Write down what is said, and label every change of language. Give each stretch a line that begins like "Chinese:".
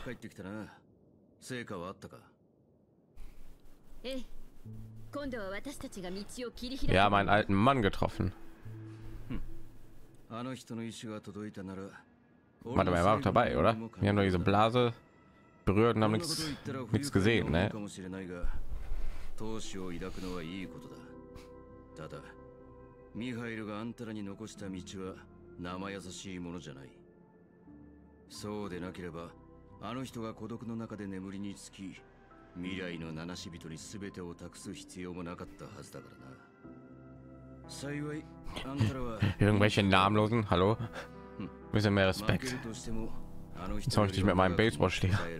German: Wir haben einen alten Mann getroffen. Warte mal, er war auch dabei, oder? Wir haben nur diese Blase berührt und haben nichts gesehen, ne?
Japanese: 投資を抱くのはいいことだ。ただミハイルがあんたらに残した道は生易しいものじゃない。そうでなければあの人が孤独の中で眠りにつき未来の七人々にすべてを託す必要もなかった。幸いあんたらは。
German: Irgendwelche namenlosen? Hallo? Ein bisschen mehr Respekt. Soll ich dich mit meinem Baseballschläger?